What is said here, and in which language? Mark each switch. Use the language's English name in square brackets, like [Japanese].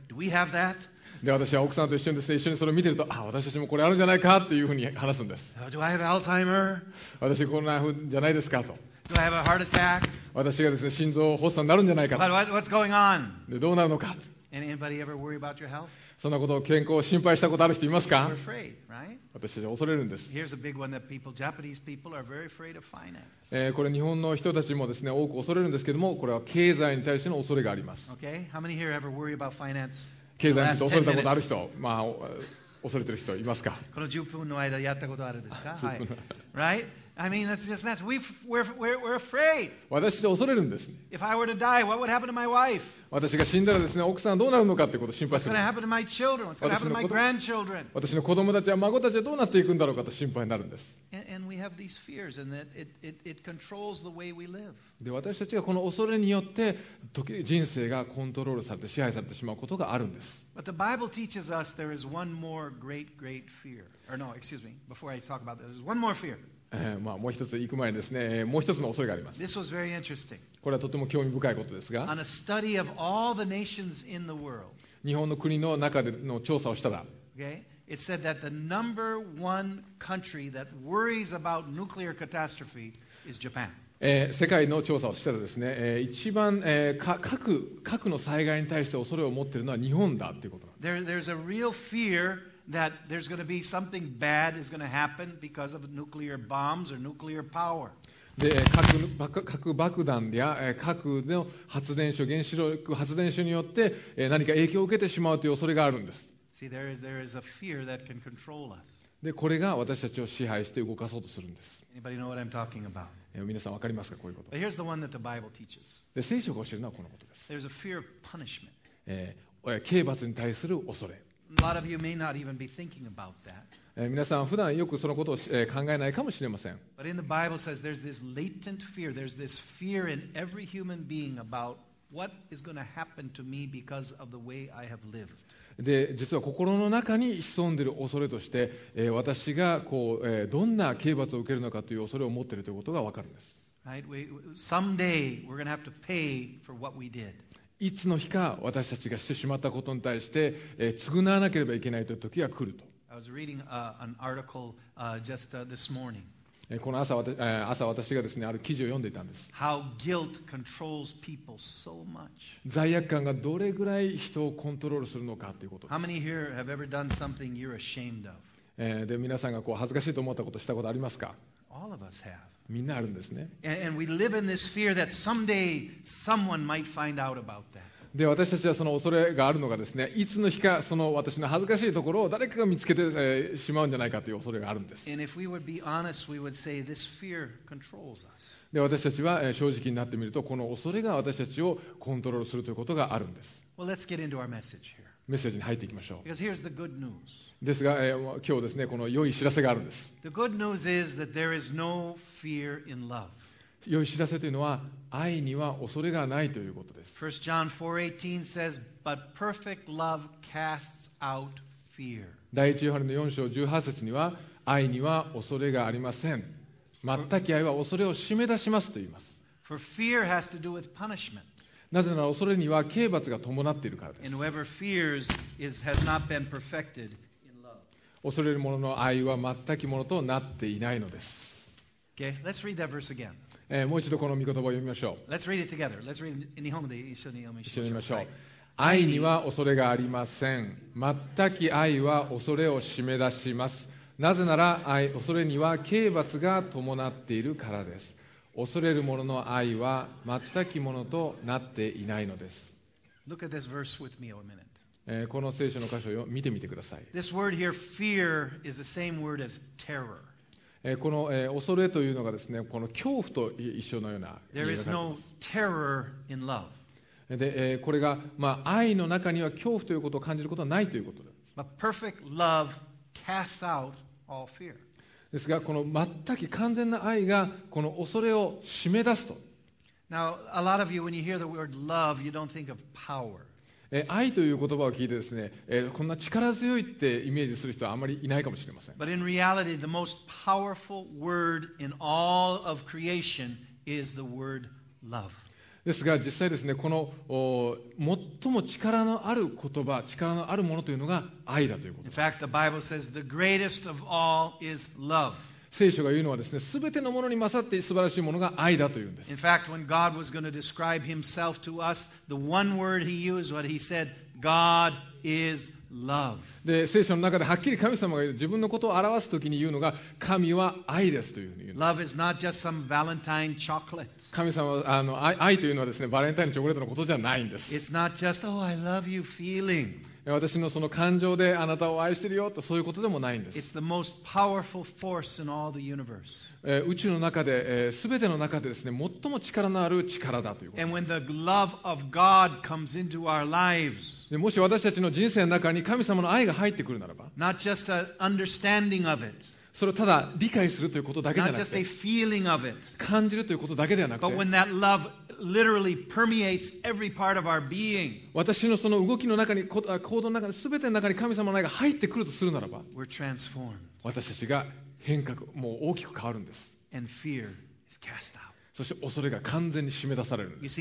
[English] Do we have that? [Japanese] で私は奥さんと一緒にですね、一緒にそれを見てると、あ、私たちもこれあるんじゃないかっていうふうに話すんです。 [English] Do I have Alzheimer? [Japanese] 私こんなふうじゃないですかと。 [English] Do I have a heart attack? [Japanese] 私がですね、心臓発作になるんじゃないかと。 [English] But what's going on? [Japanese] でどうなるのか。 [English] And anybody ever worry about your health? [Japanese] そんなことを健康を心配したことある人いますか？ [English] You're afraid, right? [Japanese] 私たちは恐れるんです。 [English] Here's a big one that people, Japanese people are very afraid of finance. [Japanese] これ日本の人たちもですね、多く恐れるんですけども、これは経済に対しての恐れがあります。 [English] Okay? How many here ever worry about finance? [Japanese] 経済について恐れたことある人、まあ、恐れてる人いますか？この10分の間やったことあるですか？はい。 [English] Right? I mean, that's just nuts. We're afraid. [Japanese] 私は恐れるんです。 [English] If I were to die, what would happen to my wife? [Japanese] 私が死んだらですね、奥さんはどうなるのかってことを心配する。 [English] What's going to happen to my children? What's going to happen to my grandchildren? [Japanese] 私の子供たちや孫たちはどうなっていくんだろうかと心配になるんです。 [English] And we have these fears, and that it controls the way we live. [Japanese] で私たちがこの恐れによって人生がコントロールされて支配されてしまうことがあるんです。 [English] But the Bible teaches us there is one more great fear. Or no, excuse me. Before I talk about this, there's one more fear. [Japanese] まあ、もう一つ行く前にですね、もう一つの恐れがあります。 [English] This was very interesting. [Japanese] これはとても興味深いことですが、 [English] On a study of all the nations in the world, [Japanese] 日本の国の中での調査をしたら、 [English] okay? It said that the number one country that worries about nuclear catastrophe is Japan. [Japanese] 世界の調査をしたらですね、一番、核の災害に対して恐れを持っているのは日本だということなんです。 [English] There's a real fearThat there's going to be something bad is going to happen because of nuclear bombs or nuclear power. [Japanese] で、核爆弾や核の発電所、原子力発電所によって何か影響を受けてしまうという恐れがあるんです。 [English] See, there is a fear that can control us. [Japanese] で、これが私たちを支配して動かそうとするんです。 [English] Anybody know what I'm talking about? [Japanese] 皆さん分かりますか、こういうこと。 [English] But here's the one that the Bible teaches. [Japanese] で、聖書が教えるのはこのことです。 [English] There's a fear of punishment. [Japanese] 刑罰に対する恐れ。 [English] A lot of you may not even be thinking about that. [Japanese] 皆さん普段よくそのことを考えないかもしれません。 [English] But in the Bible says there's this latent fear. There's this fear in every human being about what is going to happen to me because of the way I have lived. [Japanese] で、実は心の中に潜んでいる恐れとして、私がこう、どんな刑罰を受けるのかという恐れを持っているということがわかるんです。 [English] Right? Someday we're going to have to pay for what we did. [Japanese] いつの日か私たちがしてしまったことに対して、償わなければいけないという時が来ると。 [English] I was reading an article just this morning. [Japanese] この朝私がですね、ある記事を読んでいたんです。 [English] How guilt controls people so much. [Japanese] 罪悪感がどれぐらい人をコントロールするのかということです。 [English] How many here have ever done something you're ashamed of? [Japanese] で皆さんがこう恥ずかしいと思ったことをしたことありますか? [English] All of us have. [Japanese] みんなあるんですね。 [English] And we live in this fear that someday someone might find out about that. [Japanese] で私たちはその恐れがあるのがですね、いつの日かその私の恥ずかしいところを誰かが見つけて、しまうんじゃないかという恐れがあるんです。 [English] And if we would be honest, we would say this fear controls us. [Japanese] で私たちは正直になってみると、この恐れが私たちをコントロールするということがあるんです。 [English] Well, let's get into our message here. [Japanese] メッセージに入っていきましょう。 [English] Because here's the good news. [Japanese] ですが、今日ですね、この良い知らせがあるんです。 [English] The good news is that there is no fear in love. [Japanese] 良い知らせというのは愛には恐れがないということです。 [English] 1 John 4:18 says, But perfect love casts out fear. [Japanese] 第1ヨハネの4章18節には愛には恐れがありません。全く愛は恐れを締め出しますと言います。 [English] For fear has to do with punishment. [Japanese] なぜなら恐れには刑罰が伴っているからです。 [English] And whoever fears is, has not been perfected in love. [Japanese] 恐れる者の愛は全くものとなっていないのです。 [English] Okay, let's read that verse again. [Japanese] もう一度この御言葉を読みましょう。 [English] Let's read it together. Let's read it in [Japanese] 日本語で一緒に読みましょう。一緒にましょう。愛には恐れがありません。全く愛は恐れを締め出します。なぜなら愛、恐れには刑罰が伴っているからです。恐れる者の愛は全くものとなっていないのです。 [English] Look at this verse with me a minute. [Japanese] この聖書の箇所を見てみてください。 [English] This word here, fear, is the same word as terror. [Japanese] この恐れというのがですね、この恐怖と一緒のような。 [English] There is no terror in love. [Japanese] で、これが、まあ、愛の中には恐怖ということを感じることはないということです。 [English] But perfect love casts out all fear. [Japanese] ですが、この全く完全な愛がこの恐れを締め出すと。 [English] Now, a lot of you, when you hear the word love, you don't think of power. [Japanese] 愛という言葉を聞いてですね、こんな力強いってイメージする人はあまりいないかもしれません。 [English] But in reality, the most powerful word in all of creation is the word love. [Japanese] ですが実際ですね、この最も力のある言葉、力のあるものというのが愛だということです。 [English] In fact, the Bible says the greatest of all is love. [Japanese] 聖書が言うのはですね、すべてのものに勝って素晴らしいものが愛だというんです。 [English] In fact, when God was going to describe himself to us, the one word he used was he said, God is love. [Japanese] で、聖書の中ではっきり神様が自分のことを表すときに言うのが、神は愛ですというふうに言うんです。 [English] Love is not just some Valentine chocolate. [Japanese] 神様は、愛というのはですね、バレンタインチョコレートのことじゃないんです。 [English] It's not just, oh, I love you feeling. [Japanese] 私のその感情であなたを愛してるよとそういうことでもないんです。 [English] It's the most powerful force in all the universe. [Japanese] 宇宙の中で、全ての中でですね、最も力のある力だということ。 [English] And when the love of God comes into our lives, [Japanese] でもし私たちの人生の中に神様の愛が入ってくるならば、 [English] not just an understanding of it, [Japanese] それをただ理解するということだけじゃなくて、 [English] not just a feeling of it, [Japanese] 感じるということだけではなくて、 [English] but when that love literally permeates every part of our being. [Japanese] 私のその動きの中に、行動の中に、すべての中に神様の愛が入ってくるとするならば、 [English] we're transformed. [Japanese] 私たちが変革、もう大きく変わるんです。 [English] And fear is cast out. [Japanese] そして恐れが完全に締め出されるんです。